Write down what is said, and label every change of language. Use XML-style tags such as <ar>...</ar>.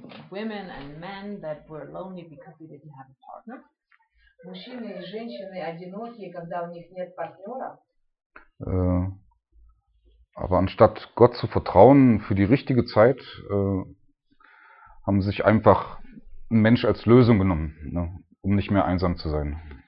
<en>Women and men that were lonely because they didn't have a partner.</en> <ru>Мужчины и женщины одинокие, когда у них нет партнера.</ru> <de>Aber anstatt Gott zu vertrauen für die richtige Zeit, haben sich einfach ein Mensch als Lösung genommen, ne, um nicht mehr einsam zu sein.</de>